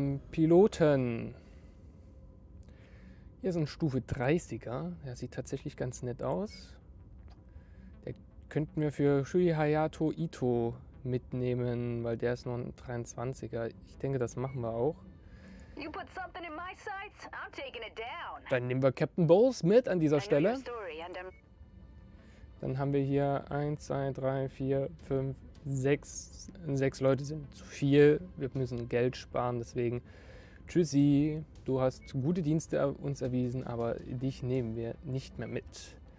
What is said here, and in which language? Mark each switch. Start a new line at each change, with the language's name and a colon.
German: Piloten. Hier ist ein Stufe 30er. Der sieht tatsächlich ganz nett aus. Der könnten wir für Shui Hayato Ito mitnehmen, weil der ist nur ein 23er. Ich denke, das machen wir auch.
English: You put something in my sights, I'm taking it down.
German: Dann nehmen wir Captain Bowles mit an dieser Stelle. Dann haben wir hier 1, 2, 3, 4, 5, 6. 6 Leute sind zu viel. Wir müssen Geld sparen, deswegen tschüssi. Du hast gute Dienste uns erwiesen, aber dich nehmen wir nicht mehr mit.